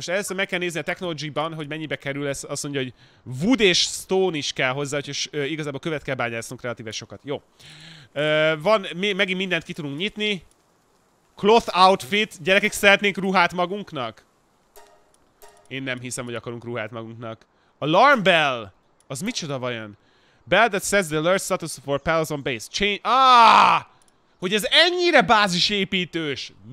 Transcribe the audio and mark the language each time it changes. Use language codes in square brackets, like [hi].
[hu] Most először meg kell nézni a technology-ban, hogy mennyibe kerül ez. Azt mondja, hogy wood és stone is kell hozzá, úgyhogy igazából követ kell bányásznunk relatíve sokat. Jó. Megint mindent ki tudunk nyitni. Cloth outfit. Gyerekek, szeretnénk ruhát magunknak? Én nem hiszem, hogy akarunk ruhát magunknak. Alarm bell! Az micsoda vajon? [en] Bell that says the alert status for palace on base. [hu] Hogy ez ennyire bázis építős?